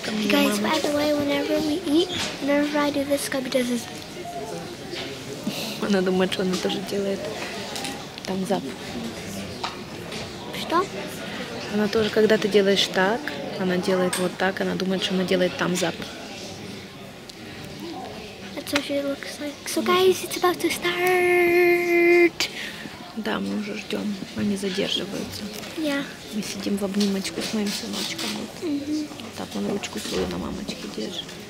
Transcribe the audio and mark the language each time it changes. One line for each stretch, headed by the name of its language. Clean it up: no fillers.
English: Guys, by the way, whenever we eat, whenever I do this, Gabby does this.
Russian: Она думает, что она тоже делает.
English: Thumbs up.
Russian: Что? Она тоже, когда ты делаешь так, она делает вот так, она думает, что она делает thumbs up.
English: That's That's what she looks like. So, guys, it's about to start.
Russian: Да, мы уже ждем. Они задерживаются.
English: Yeah.
Russian: Мы сидим в обнимочку с моим сыночком. Вот. Mm-hmm. Так он ручку свою на мамочке держит.